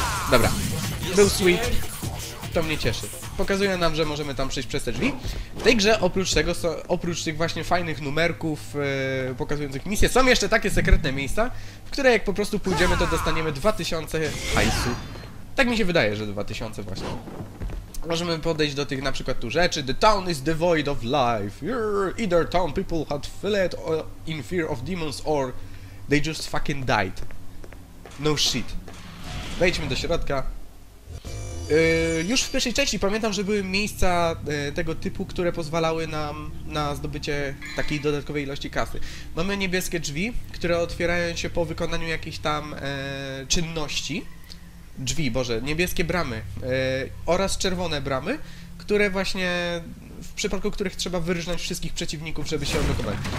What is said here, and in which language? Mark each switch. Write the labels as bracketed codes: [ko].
[pl] Dobra, był sweet. To mnie cieszy. Pokazuje nam, że możemy tam przejść przez te drzwi. W tej grze oprócz tego, oprócz tych właśnie fajnych numerków pokazujących misje, są jeszcze takie sekretne miejsca, w które jak po prostu pójdziemy, to dostaniemy 2000 hajsu. Tak mi się wydaje, że 2000 właśnie. Możemy podejść do tych na przykład tu rzeczy. [en] The town is devoid of life. Either town people had fled in fear of demons or they just fucking died. No shit. [pl] Wejdźmy do środka. Już w pierwszej części pamiętam, że były miejsca tego typu, które pozwalały nam na zdobycie takiej dodatkowej ilości kasy. Mamy niebieskie drzwi, które otwierają się po wykonaniu jakichś tam czynności. Drzwi, Boże, niebieskie bramy oraz czerwone bramy, które właśnie w przypadku których trzeba wyrżnąć wszystkich przeciwników, żeby się odblokować.